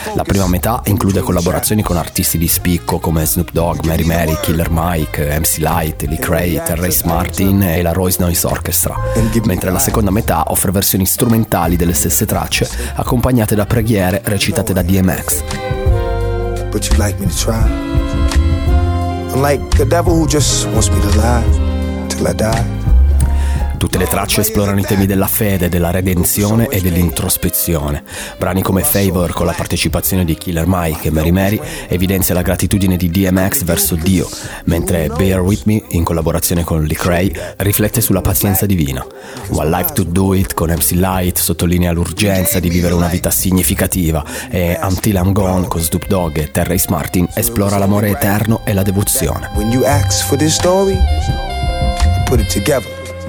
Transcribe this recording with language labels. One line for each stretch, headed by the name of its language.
Italian: La prima metà include collaborazioni con artisti di spicco come Snoop Dogg, Mary Mary, Killer Mike, MC Light, Lee Cray, Terrace Martin e la Royce Noise Orchestra, mentre la seconda metà offre versioni strumentali delle stesse tracce accompagnate da preghiere recitate da DMX.
English: But you like me to try. Unlike the devil who just wants me to lie till I die.
Italian: Tutte le tracce esplorano i temi della fede, della redenzione e dell'introspezione. Brani come Favor, con la partecipazione di Killer Mike e Mary Mary, evidenzia la gratitudine di DMX verso Dio, mentre Bear With Me, in collaborazione con Lee Cray, riflette sulla pazienza divina. One Life To Do It, con MC Light, sottolinea l'urgenza di vivere una vita significativa, e Until I'm Gone, con Snoop Dogg e Terrace Martin, esplora l'amore eterno e la devozione.
English: When you ask for this story, put it together.